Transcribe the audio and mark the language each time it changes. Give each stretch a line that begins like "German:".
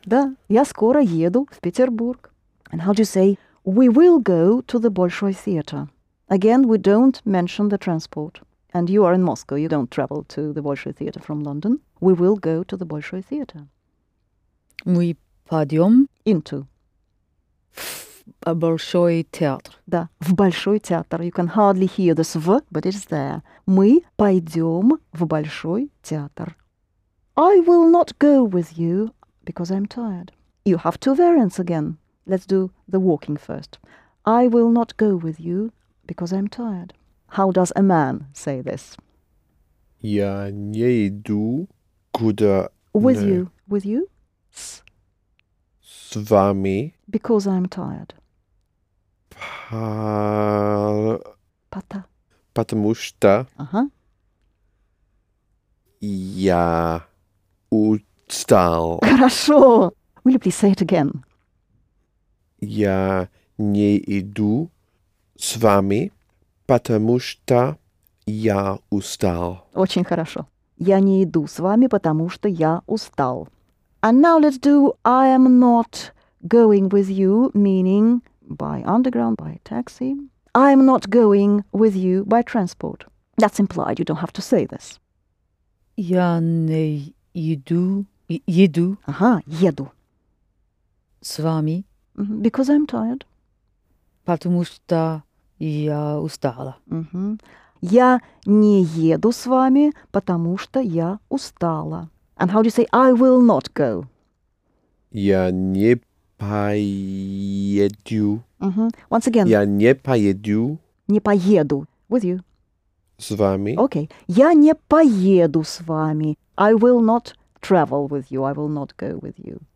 Russian: Да, я скоро еду в Петербург.
English: And how do you say, we will go to the Bolshoi Theatre? Again, we don't mention the transport. And you are in Moscow, you don't travel to the Bolshoi Theatre from London. We will go to the Bolshoi Theatre.
Russian: Мы пойдем...
English: Into.
Russian: В Большой театр. Да, в Большой театр.
English: You can hardly hear this V, but it's there.
Russian: Мы пойдем в Большой театр.
English: I will not go with you because I'm tired. You have two variants again. Let's do the walking first. I will not go with you because I'm tired. How does a man say this?
Russian: Я не иду куда...
English: With you. With you?
Russian: С вами.
English: Because I'm tired. Pata.
Russian: Потому что я устал. Хорошо.
English: Will you please say it again?
Russian: Я не иду с вами, потому что я устал. Очень хорошо. Я не иду с вами, потому что я устал.
English: And now let's do I am not going with you, meaning by underground, by taxi. I am not going with you by transport. That's implied. You don't have to say this.
Russian: Я не иду, еду Еду. с вами,
English: Because I'm tired.
Russian: потому что я устала. Я не еду с вами, потому что я устала.
English: And how do you say I will not go?
Russian: Я не поеду.
English: Once again.
Russian: Я не поеду Не поеду.
English: With you.
Russian: с вами.
English: Okay.
Russian: Я не поеду с вами.
English: I will not travel with you. I will not go with you.